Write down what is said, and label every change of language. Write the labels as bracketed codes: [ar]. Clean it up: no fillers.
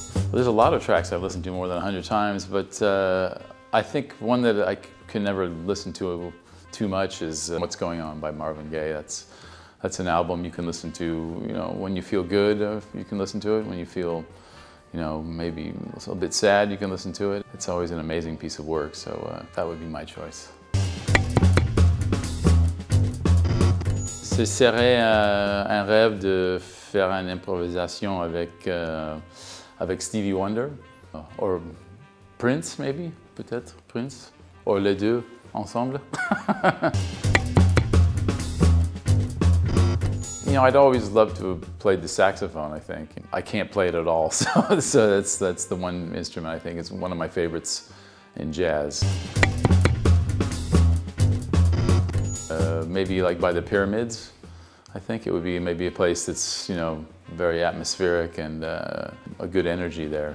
[en] There's a lot of tracks I've listened to more than 100 times, but I think one that I can never listen to too much is What's Going On by Marvin Gaye. That's an album you can listen to, you know, when you feel good, you can listen to it. When you feel, you know, maybe a bit sad, you can listen to it. It's always an amazing piece of work, so that would be my choice. [fr] Ce serait un rêve de faire une improvisation avec avec Stevie Wonder, [en] or Prince, maybe, [fr] peut-être, Prince, [en] or [fr] les deux ensemble. [en] You know, I'd always love to have played the saxophone, I think. I can't play it at all, so that's the one instrument I think is one of my favorites in jazz. Maybe like by the pyramids, I think it would be maybe a place that's, you know, very atmospheric and a good energy there.